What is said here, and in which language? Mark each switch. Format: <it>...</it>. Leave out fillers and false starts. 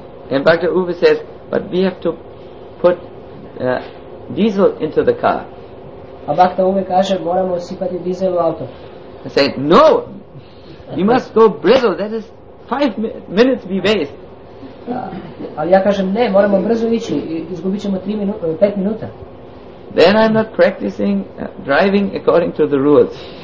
<en>And Bhakta Uva says, but we have to put diesel into the car.</en> <sr>A Bhakta Uva kaže, moramo sipati diesel u auto.</sr> <en>I say, no, you must go brzo, that is 5 minutes we waste.</en> <sr>Ali ja kažem, ne, moramo brzo ići, izgubit ćemo 5 minuta.</sr> <en>Then I'm not practicing driving according to the rules.</en>